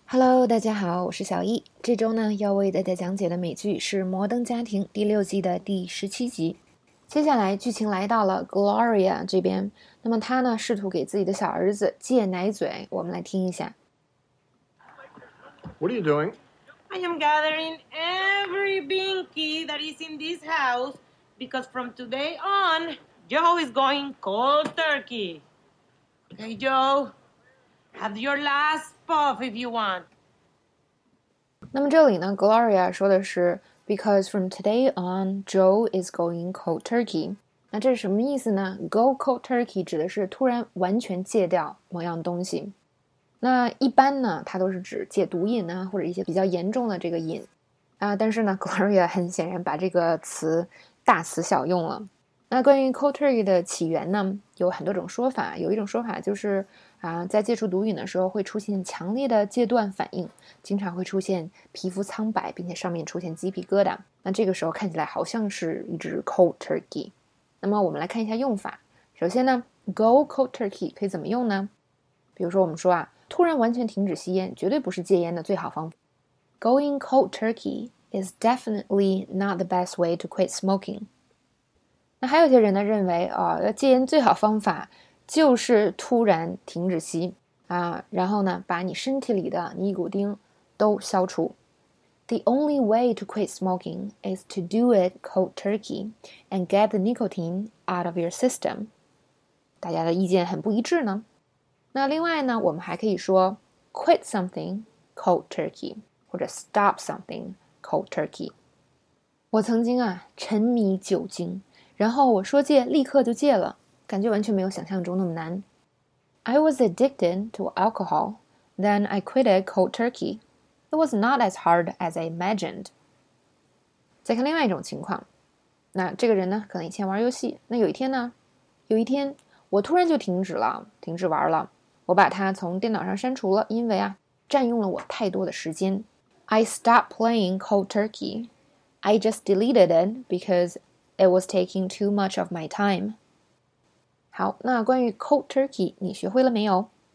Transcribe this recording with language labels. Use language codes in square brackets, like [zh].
[zh] Hello，大家好，我是小易。这周呢，要为大家讲解的美剧是《摩登家庭》第六季的第17集。接下来剧情来到了 Gloria 这边，那么她呢，试图给自己的小儿子戒奶嘴。我们来听一下。 [en] What are you doing? I am gathering every binky that is in this house because from today on, Joe is going cold turkey. Okay, Joe, have your last puff if you want. [zh] 那么这里呢 ，Gloria 说的是 [en] "Because from today on, Joe is going cold turkey." [zh] 那这是什么意思呢 ？"Go cold turkey" 指的是突然完全戒掉某样东西。那一般呢，它都是指戒毒瘾啊，或者一些比较严重的这个瘾啊。但是呢 ，Gloria 很显然把这个词大词小用了。那关于 cold turkey 的起源呢，有很多种说法。有一种说法就是，在戒除毒瘾的时候会出现强烈的戒断反应，经常会出现皮肤苍白，并且上面出现鸡皮疙瘩。那这个时候看起来好像是一只 cold turkey。那么我们来看一下用法。首先呢 ，go cold turkey 可以怎么用呢？比如说我们说啊，突然完全停止吸烟，绝对不是戒烟的最好方法。 [en] Going cold turkey is definitely not the best way to quit smoking. [zh] 那还有些人呢认为要戒烟最好方法就是突然停止吸啊，然后呢把你身体里的尼古丁都消除。 [en] The only way to quit smoking is to do it cold turkey and get the nicotine out of your system. [zh] 大家的意见很不一致呢。那另外呢，我们还可以说 quit something cold turkey 或者 stop something cold turkey. 我曾经啊沉迷酒精。然后我说戒，立刻就戒了，感觉完全没有想象中那么难。 [en] I was addicted to alcohol, then I quit it cold turkey. It was not as hard as I imagined. [zh] 再看另外一种情况，那这个人呢，可能以前玩游戏，那有一天我突然就停止玩了，我把它从电脑上删除了，因为啊，占用了我太多的时间。 [en] I stopped playing cold turkey. I just deleted it because it was taking too much of my time. [zh] 好，那关于 [en] cold turkey, [zh] 你学会了没有？